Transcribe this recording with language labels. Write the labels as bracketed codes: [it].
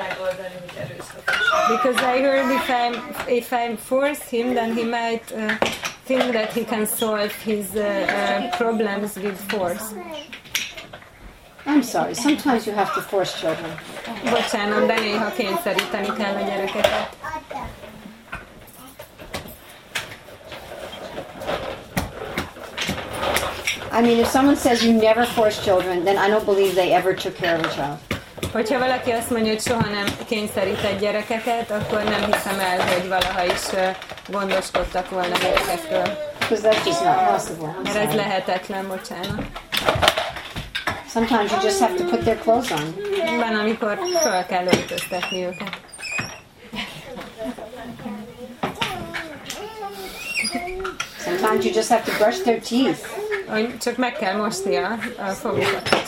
[en] Because I heard if I'm force him, then he might think that he can solve his problems with force. I'm sorry, sometimes you have to force children. [hu] Bocsánat, de néha kényszeríteni kell a gyerekeket. [en] I mean, if someone says you never force children, then I don't believe they ever took care of a child. [hu] Hogyha valaki azt mondja, hogy soha nem kényszerített gyerekeket, akkor nem hiszem el, hogy valaha is gondoskodtak volna gyerekekről. [en] Because that's just not possible. [hu] Mert ez lehetetlen, bocsánat. [en] Sometimes you just have to put their clothes on. [hu] Van, amikor fel kell öltöztetni őket. [en] Sometimes you just have to brush their teeth. [hu] Csak meg kell mosni a fogukat.